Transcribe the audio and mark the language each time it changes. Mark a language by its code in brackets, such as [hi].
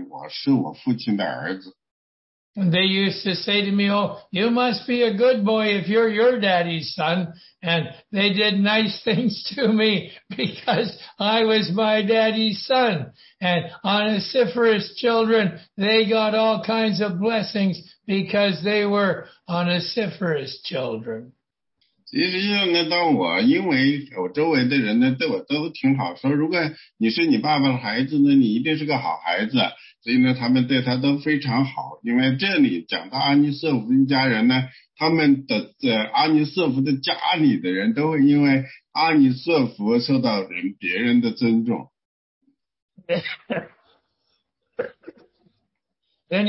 [zh] 所以呢，当我还是个小男孩的时候，我得到了大量的荣誉，仅仅是因为我是我父亲的儿子。 [en] And they used to say to me, oh, you must be a good boy if you're your daddy's son. And they did nice things to me because I was my daddy's son. And Onesiphorus' children, they got all kinds of blessings because they were Onesiphorus' children. [zh] 其实呢，当我因为我周围的人呢，对我都挺好。说如果你是你爸爸的孩子呢，你一定是个好孩子。所以呢，他们对他都非常好，因为这里讲到阿尼瑟夫一家人呢，他们的阿尼瑟夫的家里的人都会因为阿尼瑟夫受到别人的尊重。 [en] Then